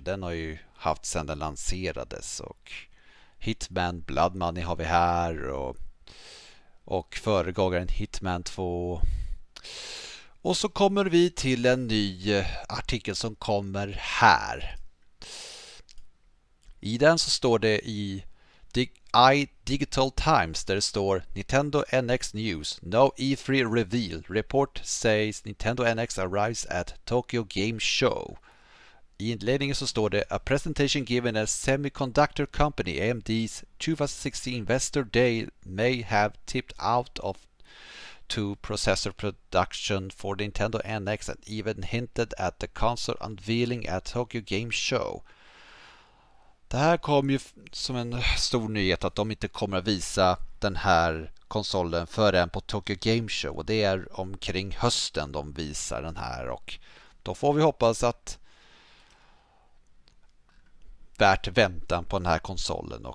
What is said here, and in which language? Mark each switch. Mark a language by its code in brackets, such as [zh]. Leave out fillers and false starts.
[sv] Den har ju haft sedan den lanserades. Och Hitman, Blood Money har vi här, och föregångaren Hitman 2. Och så kommer vi till en ny artikel som kommer här. I den så står det i Digital Times, där det står Nintendo NX News, no E3 reveal. [en] Report says Nintendo NX arrives at Tokyo Game Show. [sv] I inledningen så står det [en] A presentation given at semiconductor company AMD's 2016 Investor Day may have tipped out of to processor production for Nintendo NX and even hinted at the console unveiling at Tokyo Game Show. [sv] Det här kom ju som en stor nyhet att de inte kommer att visa den här konsolen förrän på Tokyo Game Show, och det är omkring hösten de visar den här, och då får vi hoppas att värt väntan på den här konsolen.